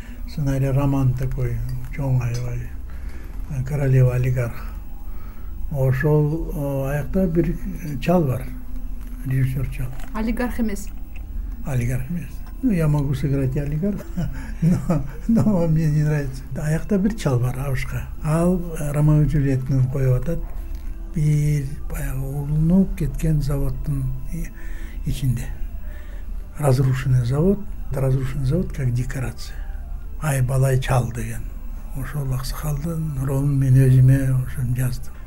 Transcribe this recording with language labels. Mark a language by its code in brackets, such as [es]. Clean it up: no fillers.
[ky] Сценарий роман такой, чоң аябай, королева олигарх. Ошол аякта бир чал бар, режиссёр чал. Олигарх эмес? Олигарх эмес. [ru] Ну, я могу сыграть и олигарх, но мне не нравится. [ky] Аякта бир чал бар, Авышка. Ал Ромео и Джульеттаны коюп атат. Бир баягы урулуп кеткен заводдун ичинде. [ru] Разрушенный завод, как декорация. [ky] Ай, балай чал деген. ошол аксакалдын ролун мен өзүмө ошону жаздым.